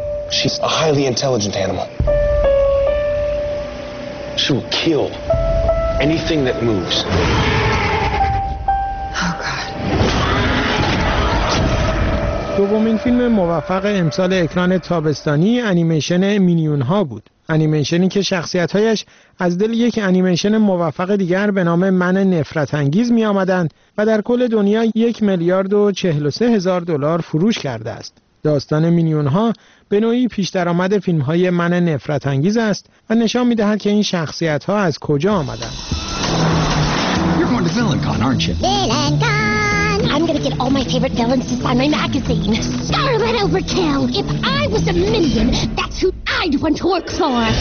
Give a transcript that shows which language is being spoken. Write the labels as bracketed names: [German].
[English] She's a highly intelligent animal. She will kill anything that moves. [Persian] دومین فیلم موفق امسال اکران تابستانی انیمیشن مینیون ها بود. انیمیشنی که شخصیت هایش از دل یک انیمیشن موفق دیگر به نام من نفرت انگیز می آمدند و در کل دنیا 1,043,000 دلار فروش کرده است. داستان مینیون ها به نوعی پیش درآمد فیلم های من نفرت انگیز است و نشان می دهد که این شخصیت ها از کجا آمدند. [English] I'm gonna get all my favorite villains to sign my magazine. Scarlet Overkill! If I was a minion, that's who I'd want to work for!